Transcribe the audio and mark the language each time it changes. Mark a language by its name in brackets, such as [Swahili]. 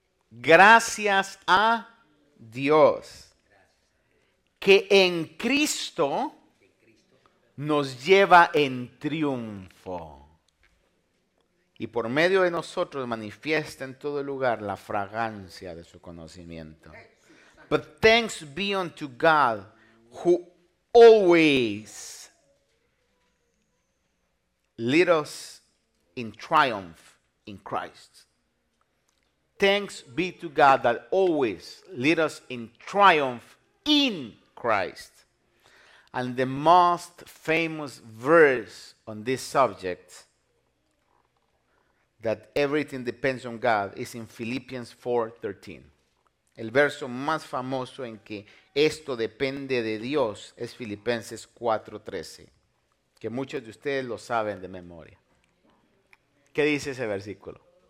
[Spanish] Gracias a Dios que en Cristo nos lleva en triunfo y por medio de nosotros manifiesta en todo lugar la fragancia de su conocimiento. [English] But thanks be unto God who always leads us in triumph in Christ. Thanks be to God that always lead us in triumph in Christ. And the most famous verse on this subject, that everything depends on God, is in Philippians 4:13. [Spanish] El verso más famoso en que esto depende de Dios es Filipenses 4:13, que muchos de ustedes lo saben de memoria. ¿Qué dice ese versículo?